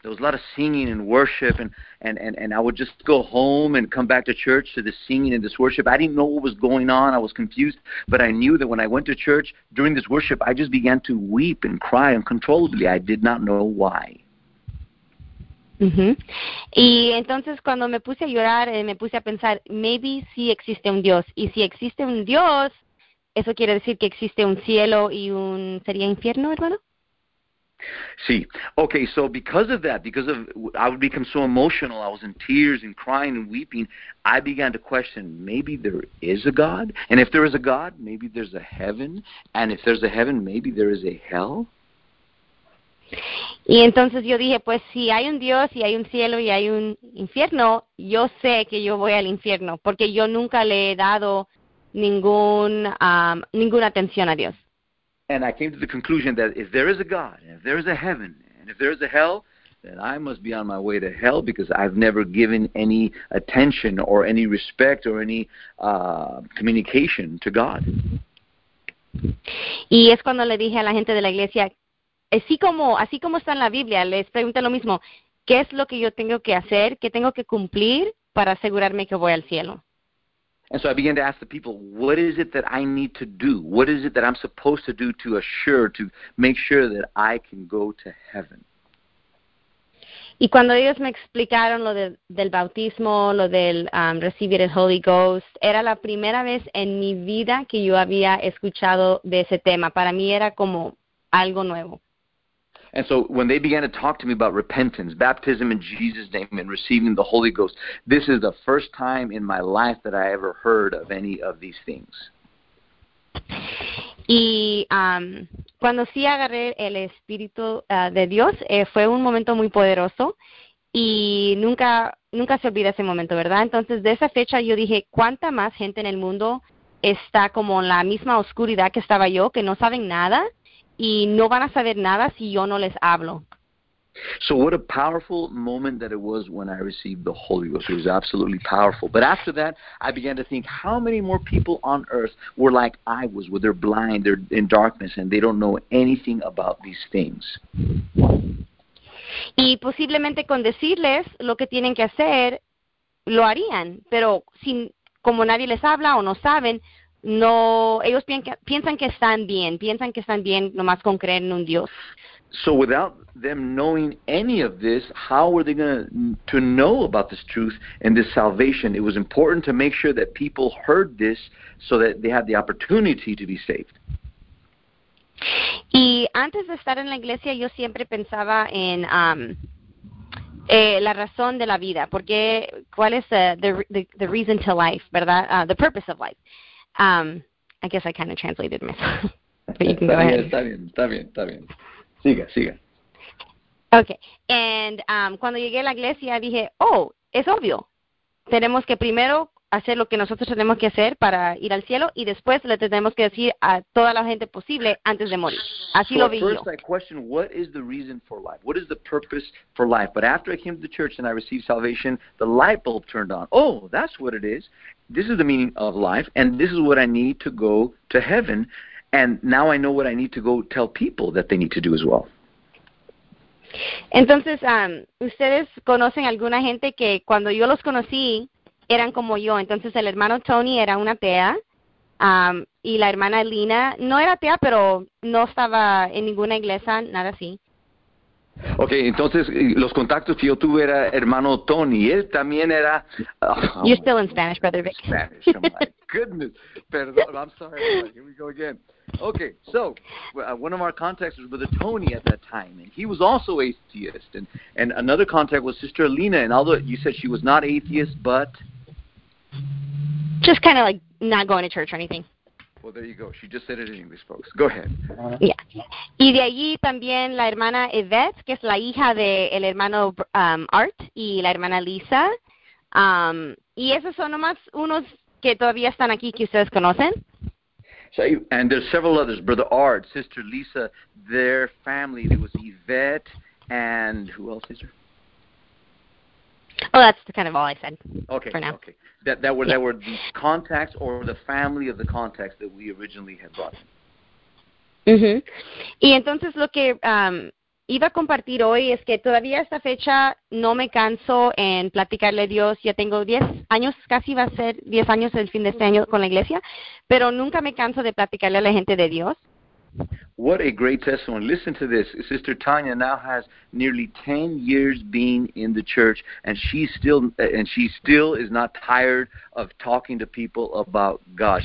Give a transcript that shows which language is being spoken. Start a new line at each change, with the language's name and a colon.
English: There was a lot of singing and worship, and I would just go home and come back to church to this singing and this worship. I didn't know what was going on. I was confused, but I knew that when I went to church during this worship, I just began to weep and cry uncontrollably. I did not know why.
Spanish: Y entonces cuando me puse a llorar, me puse a pensar,
English: maybe
Spanish: sí existe un Dios. Y si existe un Dios, eso quiere decir que existe un cielo y un sería infierno, hermano.
English: See, okay, so because of that, because of I would become so emotional, I was in tears and crying and weeping, I began to question, maybe there is a God, and if there is a God, maybe there's a heaven, and if there's a heaven, maybe there is a hell.
Spanish: Y entonces yo dije, pues si hay un Dios y hay un cielo y hay un infierno, yo sé que yo voy al infierno, porque yo nunca le he dado ninguna atención a Dios.
English: And I came to the conclusion that if there is a God, and if there is a heaven, and if there is a hell, then I must be on my way to hell because I've never given any attention or any respect or any communication to God.
Spanish: Y es cuando le dije a la gente de la iglesia, así como está en la Biblia, les pregunté lo mismo, ¿qué es lo que yo tengo que hacer? ¿Qué tengo que cumplir para asegurarme que voy al cielo?
English: And so I began to ask the people, what is it that I need to do? What is it that I'm supposed to do to assure, to make sure that I can go to heaven?
Spanish: Y cuando ellos me explicaron lo del bautismo, lo del recibir el Holy Ghost, era la primera vez en mi vida que yo había escuchado de ese tema. Para mí era como algo nuevo.
English: And so when they began to talk to me about repentance, baptism in Jesus' name, and receiving the Holy Ghost, this is the first time in my life that I ever heard of any of these things.
Spanish: Y cuando sí agarré el Espíritu de Dios, fue un momento muy poderoso y nunca se olvida ese momento, ¿verdad? Entonces, de esa fecha yo dije, ¿cuánta más gente en el mundo está como en la misma oscuridad que estaba yo, que no saben nada y no van a saber nada si yo no les hablo?
English: So what a powerful moment that it was when I received the Holy Ghost. It was absolutely powerful. But after that, I began to think, how many more people on earth were like I was, where they're blind, they're in darkness, and they don't know anything about these things?
Spanish: Y posiblemente con decirles lo que tienen que hacer, lo harían, pero sin, como nadie les habla o no saben, no, ellos piensan que están bien, piensan que están bien nomás con creer en un Dios.
English: So without them knowing any of this, how were they going to know about this truth and this salvation? It was important to make sure that people heard this so that they had the opportunity to be saved.
Spanish: Y antes de estar en la iglesia, yo siempre pensaba en la razón de la vida, porque ¿cuál es
English: the reason to life,
Spanish: ¿verdad?
English: The purpose of life. I guess I kind of translated myself, but you can go
Spanish: Está bien,
English: ahead.
Spanish: está bien, está bien, está bien. Siga, siga.
English: Okay, and
Spanish: cuando llegué a la iglesia dije, oh, es obvio. Tenemos que primero hacer lo que nosotros tenemos que hacer para ir al cielo y después le tenemos que decir a toda la gente posible antes de morir. Así
English: So
Spanish: lo
English: at
Spanish: vi yo.
English: first I questioned, what is the reason for life? What is the purpose for life? But after I came to the church and I received salvation, the light bulb turned on. Oh, that's what it is. This is the meaning of life, and this is what I need to go to heaven. And now I know what I need to go tell people that they need to do as well.
Spanish: Entonces, ¿ustedes conocen alguna gente que cuando yo los conocí eran como yo? Entonces el hermano Tony era una atea, y la hermana Lina no era atea, pero no estaba en ninguna iglesia, nada así. Okay, entonces los contactos que yo tuve era hermano Tony, él también era.
English: You're Oh, still in Spanish, Brother Vic. Spanish, oh my goodness.
Spanish: Perdón,
English: I'm sorry, everybody. Here we go again. Okay, so one of our contacts was Brother Tony at that time, and he was also atheist. And another contact was Sister Alina, and although you said she was not atheist, but. Just kind of like not going to church or anything. Well, there you go. She just said it in English, folks. Go ahead. Yeah.
Spanish: Y de allí también la hermana Yvette, que es la hija del hermano Art, y la hermana Lisa. Y esos son nomás unos que todavía están aquí que ustedes conocen.
English: So, and there's several others, Brother Art, Sister Lisa, their family. There was Yvette, and who else is there? Oh, that's kind of all I said okay, for now. Okay, that were the contacts or the family of the contacts that we originally had brought.
Spanish: Y entonces lo que iba a compartir hoy es que todavía a esta fecha no me canso en platicarle a Dios. Ya tengo 10 años, casi va a ser 10 años el fin de este año con la iglesia, pero nunca me canso de platicarle a la gente de Dios.
English: What a great testimony. Listen to this. Sister Tanya now has nearly 10 years being in the church, and she still is not tired of talking to people about God.